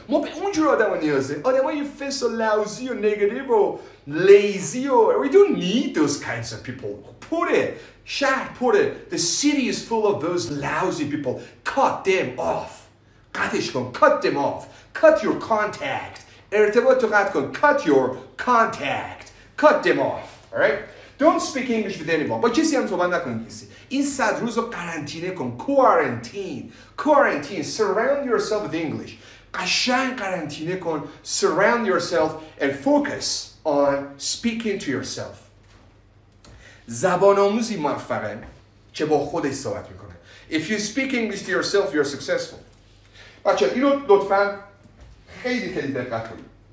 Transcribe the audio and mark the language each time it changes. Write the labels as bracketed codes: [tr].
[fa] ما به اونجور آدم ها نیازه. آدم های فس و لوزی و نگتیب و لیزی و... [en] We don't need those kinds of people. [fa] پوره. شهر پوره. [en] The city is full of those lousy people. Cut them off. [fa] قطعش کن. [en] Cut them off. Cut your contact. [fa] ارتباط تو قطع کن. [en] Cut your contact. Cut them off. Alright? Don't speak English with anyone. [fa] با کسی هم صحبت نکن کسی. این صد روز رو قرنطینه کن. [en] Quarantine. Surround yourself with English. [fa] قشنگ قرنطینه کن. [en] Surround yourself and focus on speaking to yourself. [fa] زبان آموزی موفقه که با خودش صحبت میکنه. [en] If you speak English to yourself, you're successful. [fa] بچه اینو لطفا خیلی خیلی دقت کنید.